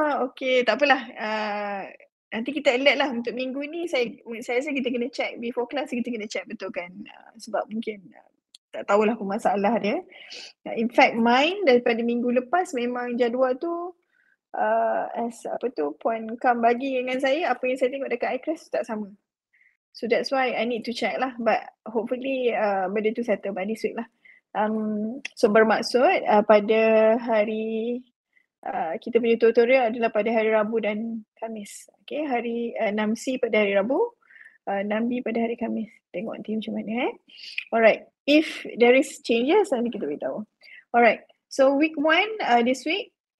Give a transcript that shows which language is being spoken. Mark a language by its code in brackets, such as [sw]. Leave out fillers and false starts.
[ms] Okey, tak apalah. Nanti kita alert lah untuk minggu ni saya rasa kita kena check [en] before class, [ms] kita kena check betul kan. Sebab mungkin tak tahulah apa masalah dia. [en] In fact mine [ms] daripada minggu lepas memang jadual tu as apa tu Puan Kam bagi dengan saya, apa yang saya tengok dekat iCrest tak sama. [en] So that's why I need to check lah, but hopefully [ms] benda tu [en] settle by this week lah. [ms] So bermaksud pada hari kita punya tutorial adalah pada hari Rabu dan Khamis. Okay, hari 6C pada hari Rabu, 6B pada hari Khamis. Tengok nanti macam mana eh. [en] Alright, if there is changes [ms] nanti kita beritahu. [en] Alright, so week 1 this week.